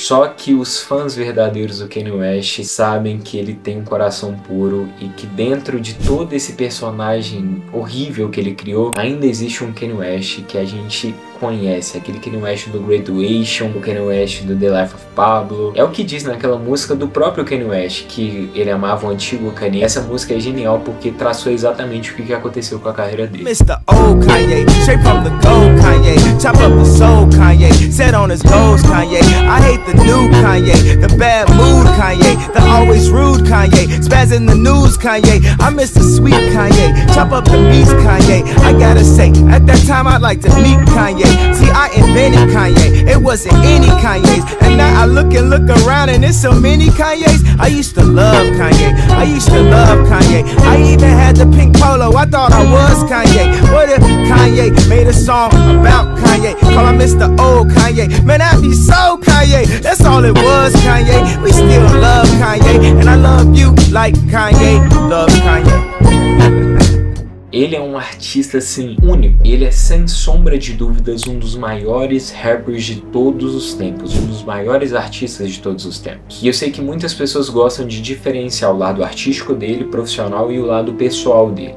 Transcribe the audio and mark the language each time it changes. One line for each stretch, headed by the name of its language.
Portuguese: Só que os fãs verdadeiros do Kanye West sabem que ele tem um coração puro e que dentro de todo esse personagem horrível que ele criou, ainda existe um Kanye West que a gente conhece, aquele Kanye West do Graduation, o Kanye West do The Life of Pablo. É o que diz naquela música do próprio Kanye West, que ele amava o antigo Kanye. Essa música é genial porque traçou exatamente o que aconteceu com a carreira dele.
English: Mr. Old Kanye, straight from the gold Kanye, top of the soul Kanye, set on his goals Kanye, I hate the new Kanye, the bad mood Kanye, the always rude Kanye, spazzing the news Kanye, I miss the sweet Kanye, top of the beats Kanye, I gotta say, at that time I'd like to meet Kanye. See, I invented Kanye, it wasn't any Kanye's. And now I look and look around and it's so many Kanye's. I used to love Kanye, I used to love Kanye. I even had the pink polo, I thought I was Kanye. What if Kanye made a song about Kanye? Call him Mr. Old Kanye. Man, I'd be so Kanye, that's all it was Kanye. We still love Kanye, and I love you like Kanye. Love Kanye.
Portuguese: Ele é um artista, assim, único. Ele é, sem sombra de dúvidas, um dos maiores rappers de todos os tempos. Um dos maiores artistas de todos os tempos. E eu sei que muitas pessoas gostam de diferenciar o lado artístico dele, profissional, e o lado pessoal dele.